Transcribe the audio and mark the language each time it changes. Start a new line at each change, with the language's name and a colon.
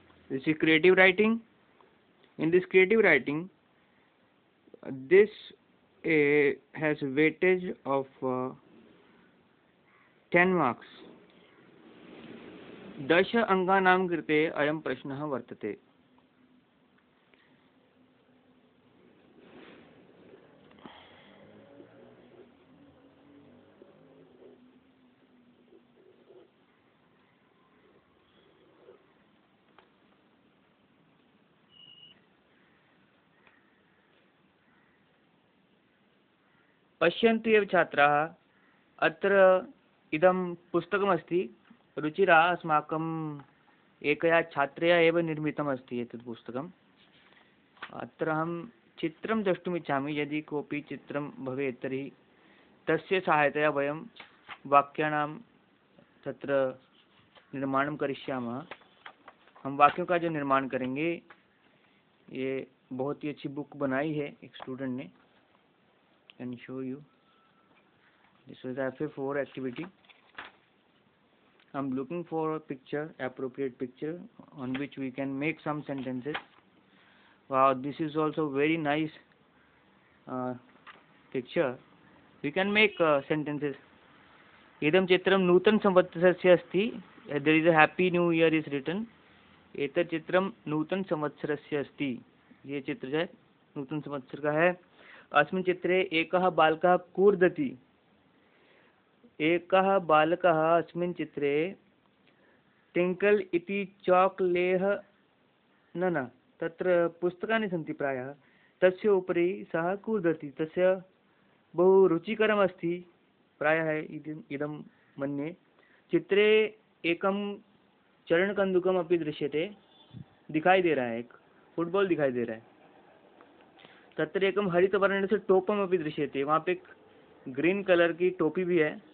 English: This is creative writing. In this creative writing, this has a weightage of 10 marks.
Sanskrit: दश अंगानां कृते अयं प्रश्नः वर्तते। पश्यन्तु एव छात्राः, अत्र इदं पुस्तकमस्ति। रुचिरा अस्माकम् एकया छात्रया एव निर्मितमस्ति एतत् पुस्तकम्। अत्र अहं चित्रं द्रष्टुमिच्छामि, यदि कोऽपि चित्रं भवेत् तर्हि तस्य सहायतया वयं वाक्यानां तत्र निर्माणं करिष्यामः।
Hindi: हम वाक्यों का जो निर्माण करेंगे, ये बहुत ही अच्छी बुक बनाई है एक स्टूडेंट ने।
English: Can show you. This is FA4 activity. I'm looking for a picture, appropriate picture, on which we can make some sentences. Wow, this is also very nice picture. We can make sentences.
Sanskrit: Idam chitram nutan samvatsarasya asti.
English: There is a happy new year is written.
Sanskrit: Etat chitram nutan samvatsarasya asti.
Hindi: Ye chitra jay nutan samvatsar ka hai.
Sanskrit: अस्मिन् चित्रे एकः बालकः कूर्दति। एकः बालकः अस्मिन् चित्रे tinkle इति चोकलेह न तत्र पुस्तकानि सन्ति प्रायः, तस्य उपरि सः कूर्दति। तस्य बहु रुचिकरम् अस्ति प्रायः इदं मन्ये। चित्रे एकं चरणकन्दुकम् अपि दृश्यते,
Hindi: दिखाई दे रहा है,
Sanskrit: एक फुटबॉल दिखाई दे रहा है। तत्र एकं हरितवर्णस्य टोपम् अपि दृश्यते,
Hindi: वहाँ पे एक ग्रीन कलर की टोपी भी है।